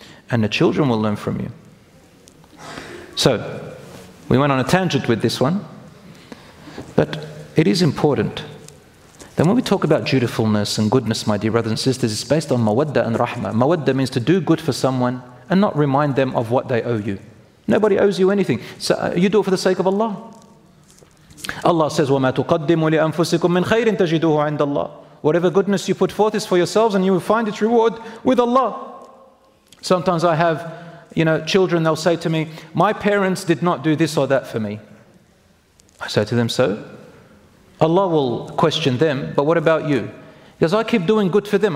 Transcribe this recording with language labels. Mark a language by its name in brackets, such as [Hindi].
[English] And the children will learn from you. So, we went on a tangent with this one. But it is important. Then when we talk about dutifulness and goodness, my dear brothers and sisters, it's based on mawadda and rahma. Mawadda means to do good for someone and not remind them of what they owe you. Nobody owes you anything. So you do it for the sake of Allah. Allah says, [Arabic] وَمَا تُقَدِّمُ لِأَنفُسِكُم مِّنْ خَيْرٍ تَجِدُوهُ عِنْدَ اللَّهِ. [English] Whatever goodness you put forth is for yourselves and you will find its reward with Allah. Sometimes I have, you know, children, they'll say to me, my parents did not do this or that for me. I say to them, so? Allah will question them, but what about you? Because I keep doing good for them.